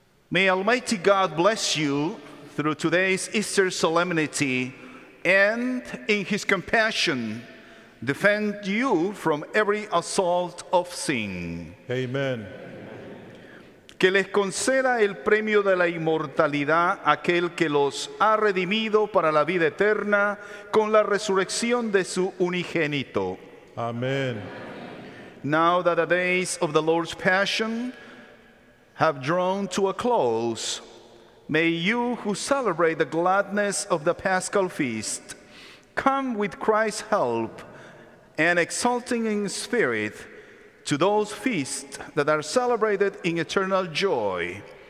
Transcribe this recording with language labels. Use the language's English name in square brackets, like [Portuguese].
[English] May Almighty God bless you through today's Easter solemnity, and in his compassion, defend you from every assault of sin. Amen. [Spanish] Que les conceda el premio de la inmortalidad aquel que los ha redimido para la vida eterna con la resurrección de su unigénito. Amen. [English] Now that the days of the Lord's Passion have drawn to a close, may you who celebrate the gladness of the Paschal Feast come with Christ's help and exulting in spirit to those feasts that are celebrated in eternal joy.